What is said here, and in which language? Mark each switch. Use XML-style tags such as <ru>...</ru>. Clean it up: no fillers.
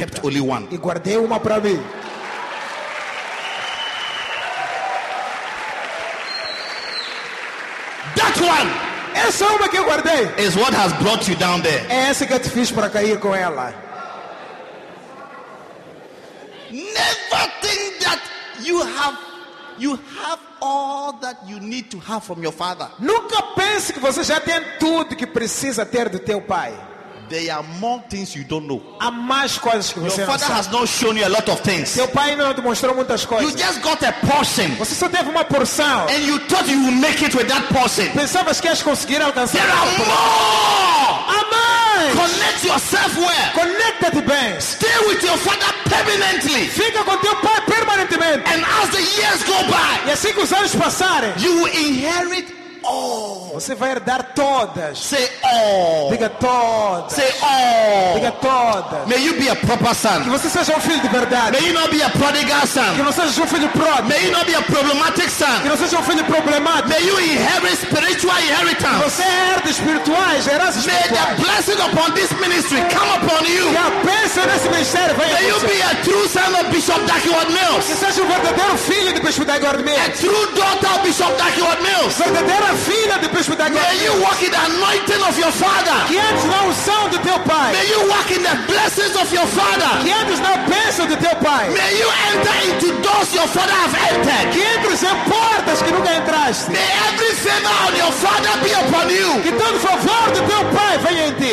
<en>Kept only one.</en> <pt>E guardei uma para mim.</pt> <en>One.</en> <pt>Essa uma que eu guardei.</pt> <en>Is what has brought you down there.</en> <pt>É essa que eu te fiz para cair com ela.</pt> <en>Never think that you have all that you need to have from your father.</en> <pt>Nunca pense que você já tem tudo que precisa ter do teu pai.</pt> <en>There are more things you don't know.</en> <pt>Há mais coisas que você</pt> <en>your father</en> <pt>não sabe.</pt> <en>Has not shown you a lot of things.</en> <pt>Seu pai não te mostrou muitas coisas.</pt> <en>You just got a portion.</en> <pt>Você só teve uma porção.</pt> <en>And you thought you would make it with that portion.</en> <pt>Pensava que ias conseguir alcançar.</pt> <en>There are more.</en> <pt>Há mais.</pt> <en>Connect yourself well.</en> <pt>Conecta-te bem.</pt> <en>Stay with your father permanently.</en> <pt>Fica com teu pai permanentemente.</pt> <en>And as the years go by,</en> <pt>e assim que os anos passarem,</pt> <en>you will inherit. Oh.</en> <pt>Você vai herdar todas.</pt> <en>Say oh.</en> <pt>Diga todas.</pt> <en>Say oh.</en> <pt>Diga todas.</pt> <en>May you be a proper son.</en> <pt>Que você seja filho de verdade.</pt> <en>May you not be a prodigal son.</en> <pt>Que você seja filho pródigo.</pt> <en>May you not be a problematic son.</en> <pt>Que você seja filho problemático.</pt> <en>May you inherit spiritual inheritance.</en> <pt>Você herde espirituais, heranças espirituais.</pt> <en>May the blessing upon this ministry come upon you.</en> <pt>Que a bênção desse ministério venha.</pt> <en>May you be a true son of Bishop Dakiwad Mills.</en> <pt>Que seja verdadeiro filho do Bispo Dakiwad Mills.</pt> <en>A true daughter of Bishop Dakiwad Mills.</en> <pt>A filha do bispo da</pt> <en>igreja. May you walk in the anointing of your father.</en> <pt>Que antes na unção do teu pai.</pt> <en>May you walk in the blessings of your father.</en> <pt>Que antes na bênção do teu pai.</pt> <en>May you enter into doors your father have entered.</en> <pt>Que entres em portas que nunca entraste.</pt> <en>May every favor of your father be upon you.</en> <pt>Que todo favor do teu pai venha em ti.</pt>